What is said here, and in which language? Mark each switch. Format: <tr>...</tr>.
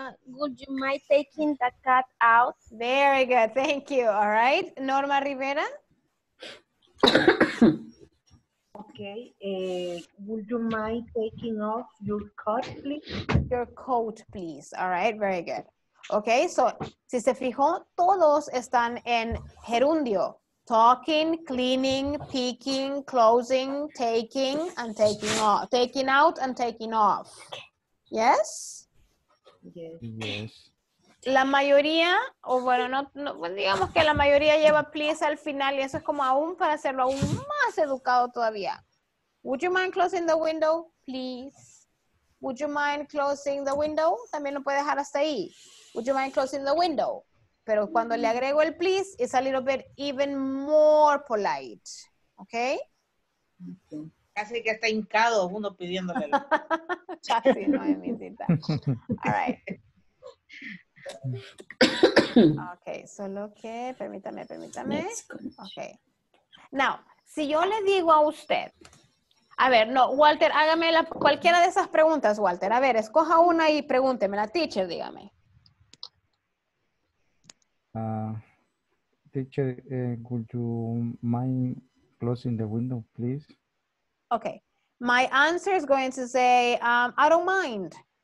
<en>Would you mind taking the cat out? Very good. Thank you. All right. Norma Rivera. Okay. Would you mind taking off your coat, please? Your coat, please. All right. Very good. Okay.</en> <es>So, si se fijó, todos están en gerundio.</es> <en>Talking, cleaning, picking, closing, taking, and taking off. Taking out and taking off. Yes? Yes.</en> <es>La mayoría, o bueno, no, digamos que la mayoría lleva please al final y eso es como aún para hacerlo aún más educado todavía.</es> <en>Would you mind closing the window, please? Would you mind closing the window?</en> <es>También lo puede dejar hasta ahí.</es> <en>Would you mind closing the window?</en> <es>Pero cuando le agrego el please,</es> <en>it's a little bit even more polite. Okay?</en> <es>Casi que está hincado uno pidiéndolelo. Casi, no, mi cita. Alright. Okay, solo que, permítame. Okay. Now, si yo le digo a usted, a ver, no, Walter, hágame la, cualquiera de esas preguntas, Walter. A ver, escoja una y pregúnteme, la teacher, dígame.</es> <en>Teacher, would you mind closing the window, please? Okay, my answer is going to say, I don't mind.</en>